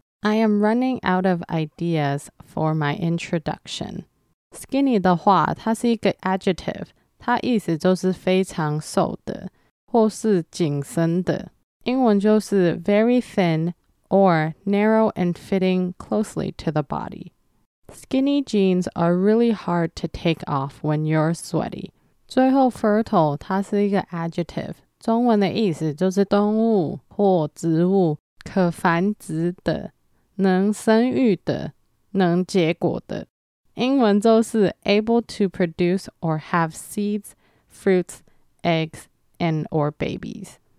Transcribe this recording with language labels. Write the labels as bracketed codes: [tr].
[en] I am running out of ideas for my introduction。 [zh] Skinny 的话它是一个 adjective， 它意思就是非常瘦的或是紧身的，英文就是 [en] very thin or narrow and fitting closely to the body。 Skinny jeans are really hard to take off when you're sweaty。 [zh] 最后 fertile 它是一个 adjective， 中文的意思就是动物或植物，可繁殖的，能生育的，能结果的，英文就是 [en] able to produce or have seeds, fruits, eggs and or babies。